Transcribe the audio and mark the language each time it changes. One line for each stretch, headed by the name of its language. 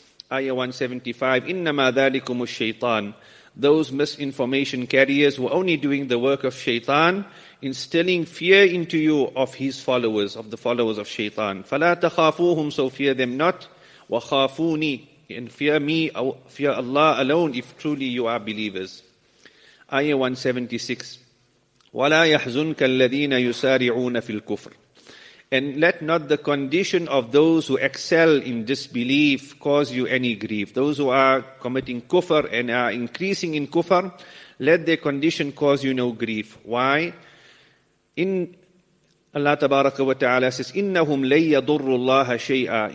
English: Ayah 175,
Arabic: innama dhalikum ash-shaytan.
English: Those misinformation carriers were only doing the work of shaytan, instilling fear into you of his followers, of the followers of shaytan.
Arabic: Fala takhafuhum,
English: so fear them not.
Arabic: Wa khafuni,
English: and fear me, fear Allah alone, if truly you are believers.
Arabic: Ayah 176, وَلَا يَحْزُنْكَ الَّذِينَ يُسَارِعُونَ فِي الْكُفْرِ.
English: And let not the condition of those who excel in disbelief cause you any grief. Those who are committing kufr and are increasing in kufr, let their condition cause you no grief. Why? In Allah Tabaraka wa Ta'ala says,
Arabic: إِنَّهُمْ لَيَّضُرُّ اللَّهَ شَيْئًا.